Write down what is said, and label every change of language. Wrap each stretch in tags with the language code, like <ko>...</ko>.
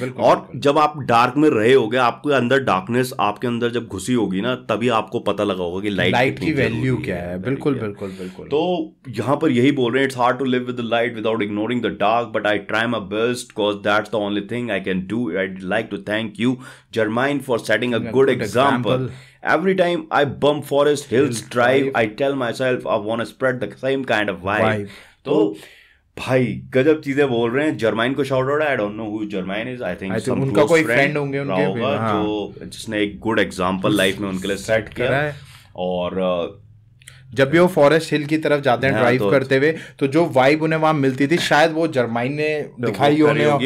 <hi>और जब आप डार्क में रहे होगे, आपके अंदर डार्कनेस आपके अंदर जब घुसी होगी ना, तभी आपको पता लगा होगा कि लाइट की वैल्यू क्या है। बिल्कुल। तो यहाँ पर यही बोल रहे हैं,</hi> <en>It's hard to live with the light without ignoring the dark, but I try my best because that's the only thing I can do. I like to thank you Germaine for setting a good example. Every time I bump forest hills drive, I tell myself I want to spread the same kind of vibe.</en> <hi>तो भाई गजब चीजें बोल रहे हैं। जर्माइन को shout out,</hi> <en>I don't know who Germaine is, I think some</en> <hi>उनका कोई फ्रेंड होंगे उनके भी, हाँ। जो जिसने एक गुड एग्जांपल लाइफ में उनके लिए सेट किया है। और जब भी वो फॉरेस्ट हिल की तरफ जाते हैं ड्राइव तो, करते हुए तो जो वाइब उन्हें वहां मिलती थी शायद वो जर्माइन ने दिखाई होगी,</hi>